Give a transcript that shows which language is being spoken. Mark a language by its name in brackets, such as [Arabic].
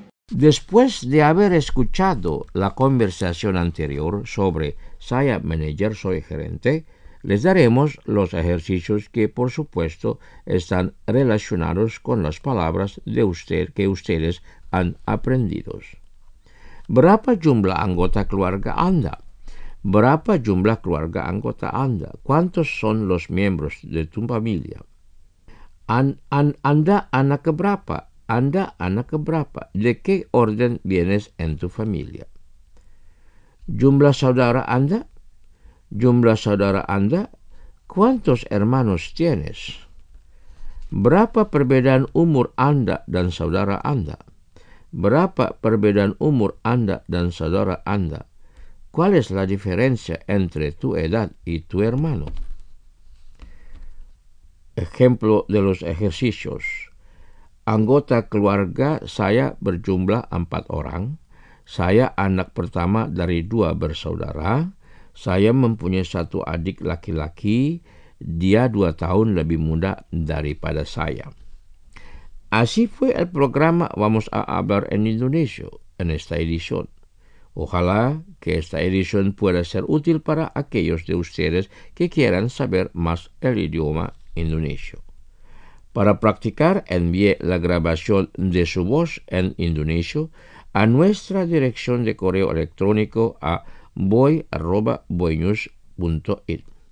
[Spanish] Después de haber escuchado la conversación anterior sobre saya manager, soy gerente, les daremos los ejercicios que, por supuesto, están relacionados con las palabras de usted que ustedes han aprendido. [Indonesian] ¿Berapa jumlah anggota keluarga anda? ¿Berapa jumlah keluarga anggota anda? [Spanish] ¿Cuántos son los miembros de tu familia? [Indonesian] ¿Anda anak keberapa? ¿Anda anak keberapa? [Spanish] ¿De qué orden vienes en tu familia? [Indonesian] ¿Jumlah saudara anda? ¿Jumlah saudara anda? [Spanish] ¿Cuántos hermanos tienes? [Indonesian] ¿Berapa perbedaan umur anda dan saudara anda? ¿Berapa perbedaan umur anda dan saudara anda? [Spanish] ¿Cuál es la diferencia entre tu edad y tu hermano? Ejemplo de los ejercicios. [Indonesian] Anggota keluarga saya berjumlah 4 orang. Saya anak pertama dari 2 bersaudara. Saya mempunyai 1 adik laki-laki. Dia 2 tahun lebih muda daripada saya. [Spanish] Así fue el programa Vamos a hablar en Indonesio en esta edición. Ojalá que esta edición pueda ser útil para aquellos de ustedes que quieran saber más el idioma indonesio. Para practicar, envíe la grabación de su voz en indonesio a nuestra dirección de correo electrónico a boy@boynews.it.